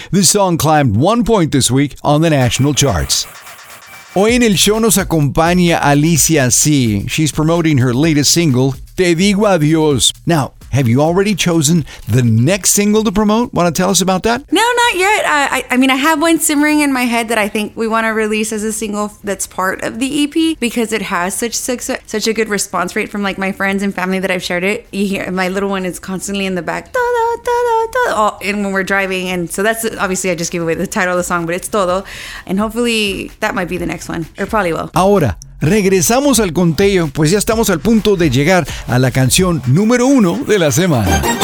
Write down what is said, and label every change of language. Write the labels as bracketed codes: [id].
[en] This song climbed 1 point this week on the national charts. [es] Hoy en el show nos acompaña Alicia C. [en] She's promoting her latest single, Te Digo Adiós. Now, have you already chosen the next single to promote? Want to tell us about that? No, not yet. I mean, I have one simmering in my head that I think we want to release as a single that's part of the EP because it has such a good response rate from like my friends and family that I've shared it. You hear my little one is constantly in the back, da da da da da, and when we're driving. And so that's obviously, I just gave away the title of the song, but it's Todo. And hopefully that might be the next one, or probably will. [es] Ahora. Regresamos al conteo, pues ya estamos al punto de llegar a la canción número 1 de la semana.